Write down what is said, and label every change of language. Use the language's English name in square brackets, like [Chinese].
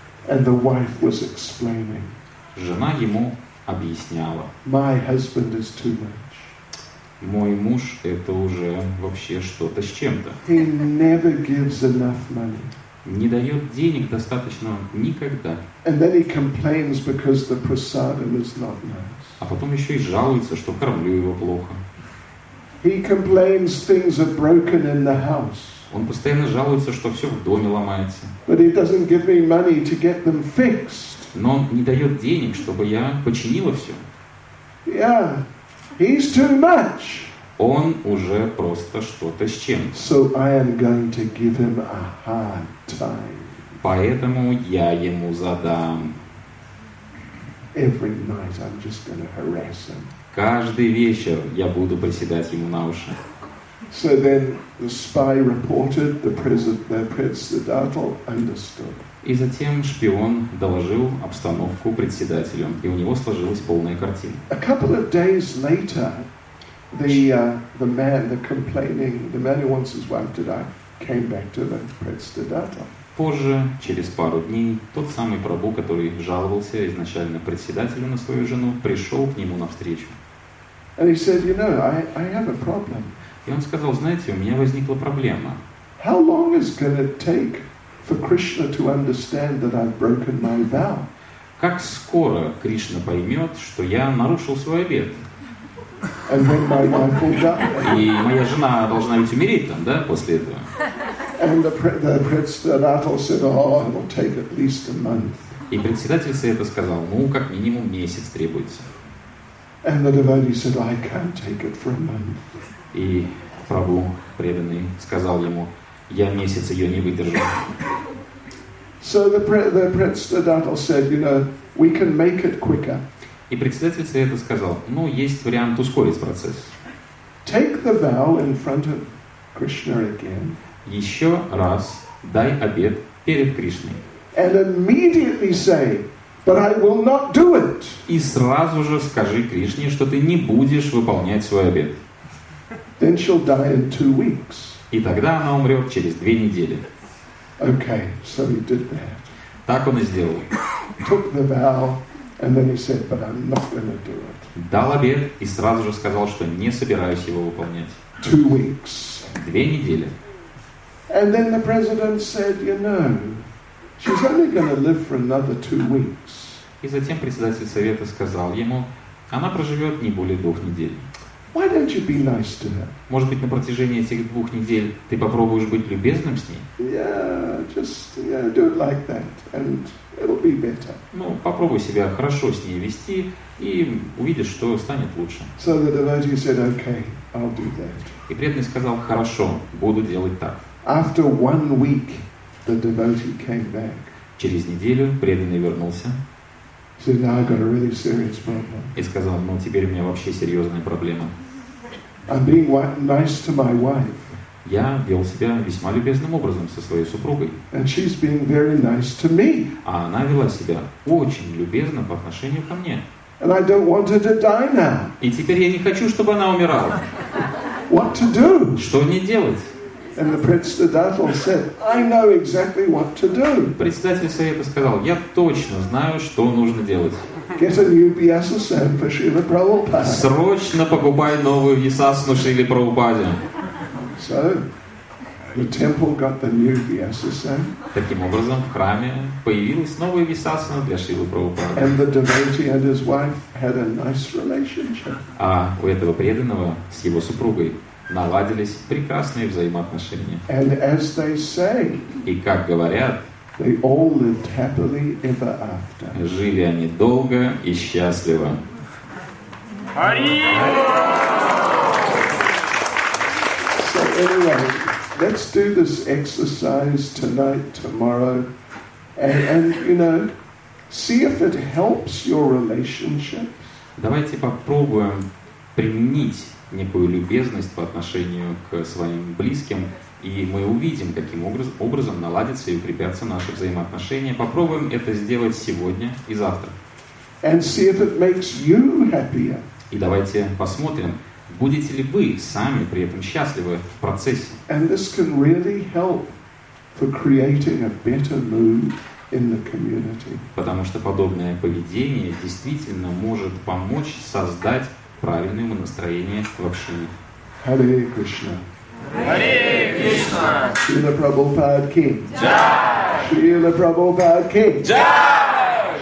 [English] And the wife was explaining. [Russian] Жена ему объясняла. [English] My husband is too much. [Russian] Мой муж — это уже вообще что-то с чем-то. [English] He never gives enough money. [Russian] Не дает денег достаточно никогда. [English] And then he complains because the prasadam is not nice. [Russian] А потом еще и жалуется, что кормлю его плохо. [English] He complains things are broken in the house. [Russian] Он постоянно жалуется, что все в доме ломается. [English] But he doesn't give me money to get them fixed. [Russian] Но он не дает денег, чтобы я починила все. [English] Yeah. He's too much. [Russian] Он уже просто что-то с чем-то. [English] So I am going to give him a hard time. [Russian] Поэтому я ему задам. [English] Every night I'm just going to harass him. [Russian] Каждый вечер я буду приседать ему на уши. [English] So then the spy reported, the prince, the Dartle, understood. [Russian] И затем шпион доложил обстановку председателю, и у него сложилась полная картина. [English] A couple of days later, the man, the complaining, the man who wants his wife to die, came back to the prince, the Dartle. [Russian] Позже, через пару дней, тот самый прабу, который жаловался изначально председателю на свою жену, пришел к нему навстречу. [English] And he said, you know, I have a problem. [Russian] И он сказал, знаете, у меня возникла проблема. [English] How long is going to take for Krishna to understand that I've broken my vow? [Russian] Как скоро Кришна поймет, что я нарушил свой обет? [English] And when my wife will die. [Russian] И моя жена должна ведь умереть там, да, после этого? [English] And the prince Dartle said, oh, it will take at least a month. [Russian] И председатель совета сказал, ну, как минимум месяц требуется. [English] And the devotee said, I can't take it for a month. [Russian] И прабу преданный сказал ему, я месяц ее не выдержу. [English] So the prince Dartle said, you know, we can make it quicker. [Russian] И председатель совета сказал, ну, есть вариант ускорить процесс. [English] Take the vow in front of Krishna again. [Russian] Еще раз дай обет перед Кришной. [English] And immediately say, but I will not do it. [Russian] И сразу же скажи Кришне, что ты не будешь выполнять свой обет. [English] Then she'll die in 2 weeks. [Russian] И тогда она умрет через 2 недели. [English] Okay, so he did that. [Russian] Так он и сделал. [English] Took the vow, and then he said, but I'm not going to do it. [Russian] Дал обет и сразу же сказал, что не собираюсь его выполнять. [English] 2 weeks. [Russian] 2 недели. [English] And then the president said, you know, she's only going to live for another 2 weeks. [Russian] И затем председатель совета сказал ему, она проживет не более 2 недель. [English] Why don't you be nice to her? [Russian] Может быть, на протяжении этих 2 недель ты попробуешь быть любезным с ней? [English] Yeah, just yeah, do it like that, and it'll be better. [Russian] Ну, попробуй себя хорошо с ней вести, и увидишь, что станет лучше. [English] So the devotee said, okay, I'll do that. [Russian] И преданный сказал, хорошо, буду делать так. [English] After 1 week, the devotee came back. [Russian] Через неделю преданный вернулся. [English] He said, "Now I've got a really serious problem." [Russian] И сказал, ну теперь у меня вообще серьезная проблема. [English] I'm being nice to my wife. [Russian] Я вел себя весьма любезным образом со своей супругой. [English] And she's being very nice to me. [Russian] А она вела себя очень любезно по отношению ко мне. [English] And I don't want her to die now. [Russian] И теперь я не хочу, чтобы она умирала. [English] What to do? [Russian] Что мне делать? [English] And the prince the Dartle said, I know exactly what to do. [Russian] Председатель совета сказал, я точно знаю, что нужно делать. [English] Get a new Vyasa Sam for Srila Prabhupada. [Russian] Срочно покупай новую Вьясасану Шриле Прабхупаде. [English] So the temple got the new Vyasa Sam. [Russian] Таким образом, в храме появилась новая Вьясасана для Шрилы Прабхупады. [English] And the devotee and his wife had a nice relationship. [Russian] А у этого преданного с его супругой наладились прекрасные взаимоотношения. [English] And as they say, [Russian] и как говорят, [English] they all lived happily ever after. [Russian] Жили они долго и счастливо. [English] So anyway, let's do this exercise tonight, tomorrow, and you know, see if it helps your relationships. [Russian] Давайте попробуем применить некую любезность по отношению к своим близким, и мы увидим, каким образом наладятся и укрепятся наши взаимоотношения. Попробуем это сделать сегодня и завтра. [English] And see if it makes you happier. [Russian] И давайте посмотрим, будете ли вы сами при этом счастливы в процессе. [English] And this can really help for creating a better mood in the community. [Russian] Потому что подобное поведение действительно может помочь создать правильное ему настроение в общине. [Sanskrit] Hare Krishna. Hare Krishna. [Hindi] Srila Prabhupada ki. Jai. Srila Prabhupada ki. Jai.